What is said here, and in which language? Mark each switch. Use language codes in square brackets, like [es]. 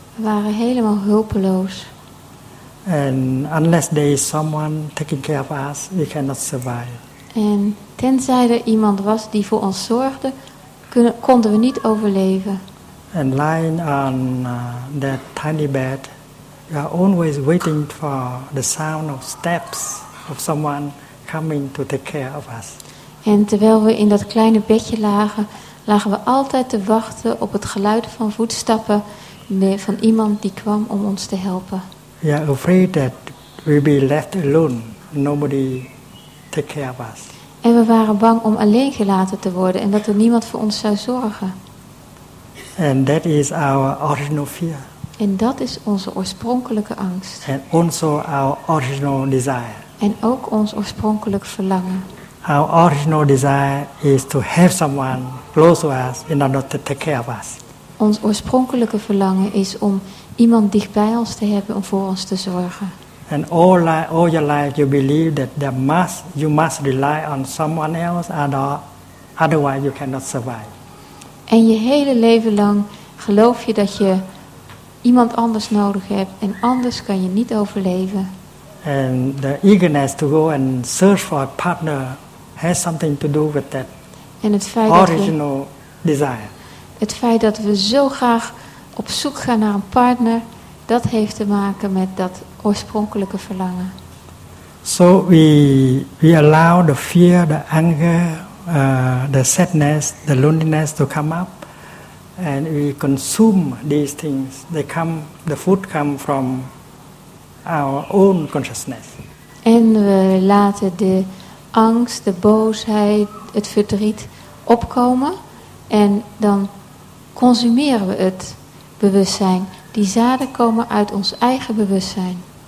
[nl] We waren helemaal hulpeloos. [en] And unless there is someone taking care of us, we cannot survive. [nl] En tenzij er iemand was die voor ons zorgde, konden we niet overleven. [en] And lying on that tiny bed, you are always waiting for the sound of steps of someone coming to take care of us. [nl] En terwijl we in dat kleine bedje lagen, lagen we altijd te wachten op het geluid van voetstappen van iemand die kwam om ons te helpen. [en] We are afraid that we'll be left alone. Nobody take care of us. [nl] En we waren bang om alleen gelaten te worden en dat er niemand voor ons zou zorgen. [en] And that is our original fear. [nl] En dat is onze oorspronkelijke angst. [en] And also our original desire. [nl] En ook ons oorspronkelijk verlangen. [en] Our original desire is to have someone close to us in order to take care of us. [nl] Ons oorspronkelijke verlangen is om iemand dichtbij ons te hebben om voor ons te zorgen. [en] And all your life you believe that you must rely on someone else, otherwise you cannot survive. [nl] En je hele leven lang geloof je dat je iemand anders nodig hebt en anders kan je niet overleven. [en] And the eagerness to go and search for a partner has something to do with that. [nl] En het feit [en] original [nl] dat we, [en] desire. [nl] Het feit dat we zo graag op zoek gaan naar een partner, dat heeft te maken met dat oorspronkelijke verlangen. [en] So we allow the fear, the anger, the sadness, the loneliness to come up, and we consume these things. The food come from our own consciousness. [nl] En we laten de angst, de boosheid, het verdriet opkomen en dan consumeren we het bewustzijn. Die zaden komen uit ons eigen bewustzijn.